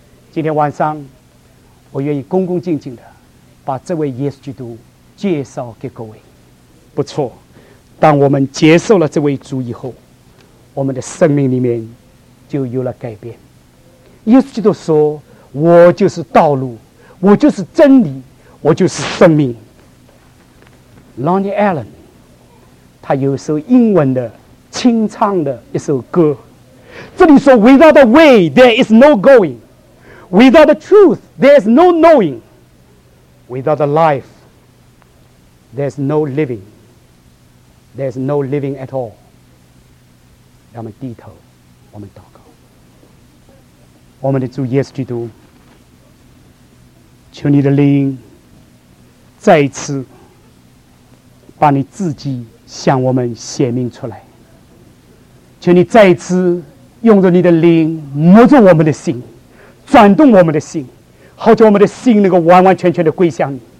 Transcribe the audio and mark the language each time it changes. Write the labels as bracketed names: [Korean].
[Chinese] 今天晚上，我愿意恭恭敬敬的把这位耶稣基督介绍给各位。不错，当我们接受了这位主以后，我们的生命里面就有了改变。耶稣基督说，我就是道路，我就是真理，我就是生命。 [English] Lonnie Allen [Chinese] 他有一首英文的清唱的一首歌，这里说 [English] Without the way there is no going, Without the truth there is no knowing, Without the life there is no living, There is no living at all。 [Chinese] 让我们低头，我们祷告。我们的主耶稣基督，求你的灵再一次把你自己向我们显明出来，求你再一次用着你的灵摸着我们的心，转动我们的心，好叫我们的心能够完完全全的归向你。